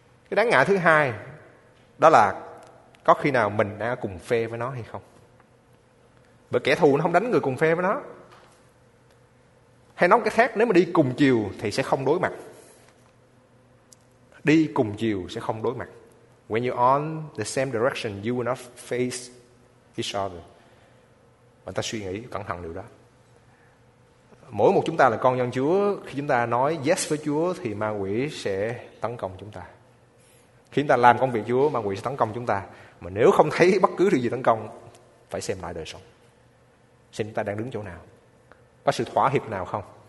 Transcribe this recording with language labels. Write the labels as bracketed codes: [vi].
[vi] Cái đáng ngại thứ hai đó là có khi nào mình đang cùng phe với nó hay không? Bởi kẻ thù nó không đánh người cùng phe với nó. Hay nói cái khác, nếu mà đi cùng chiều thì sẽ không đối mặt. Đi cùng chiều sẽ không đối mặt. [en] When you're on the same direction, you will not face each other. [vi] Và ta suy nghĩ cẩn thận điều đó. Mỗi một chúng ta là con dân Chúa, khi chúng ta nói yes với Chúa thì ma quỷ sẽ tấn công chúng ta. Khi chúng ta làm công việc Chúa, ma quỷ sẽ tấn công chúng ta. Mà nếu không thấy bất cứ điều gì tấn công, phải xem lại đời sống. Xem chúng ta đang đứng chỗ nào. Có sự thỏa hiệp nào không?